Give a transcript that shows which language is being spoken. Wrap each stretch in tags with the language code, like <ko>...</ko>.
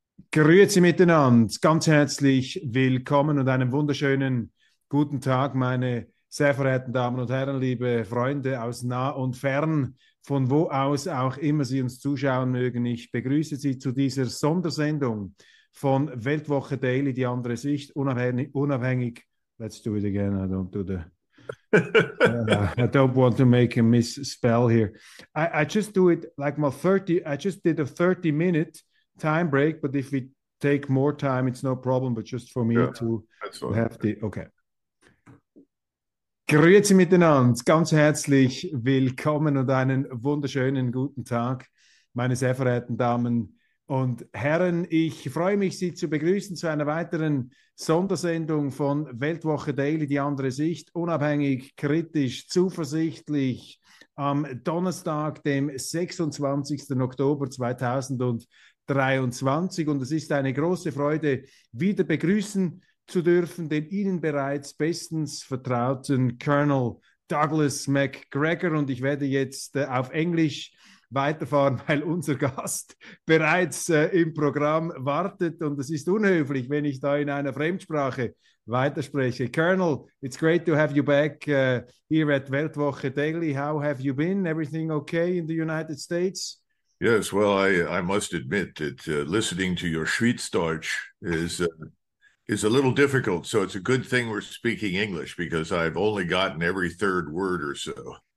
<de>Grüezi miteinander, ganz herzlich willkommen und einen wunderschönen guten Tag, meine sehr verehrten Damen und Herren, liebe Freunde aus nah und fern, von wo aus auch immer Sie uns zuschauen mögen. Ich begrüße Sie zu dieser Sondersendung von Weltwoche Daily, die andere Sicht, unabhängig.</de> <en>Let's do it again, I don't do the... I don't want to make a misspell here. I just do it like my 30, I just did a 30-minute time break, but if we take more time, it's no problem, but just for me okay.</en> <de>Grüezi miteinander, ganz herzlich willkommen und einen wunderschönen guten Tag, meine sehr verehrten Damen und Herren. Ich freue mich, Sie zu begrüßen zu einer weiteren Sondersendung von Weltwoche Daily, die andere Sicht, unabhängig, kritisch, zuversichtlich, am Donnerstag, dem 26. Oktober 2023. Und es ist eine große Freude, wieder begrüßen zu dürfen den Ihnen bereits bestens vertrauten Colonel Douglas MacGregor. Und ich werde jetzt auf Englisch weiterfahren, weil unser Gast bereits im Programm wartet. Und es ist unhöflich, wenn ich da in einer Fremdsprache weiterspreche.</de> <en>Colonel, it's great to have you back here at Weltwoche Daily. How have you been? Everything okay in the United States? Yes, well, I must admit that listening to your Schweizdeutsch is a little difficult. So it's a good thing we're speaking English, because I've only gotten every third word or so.</en>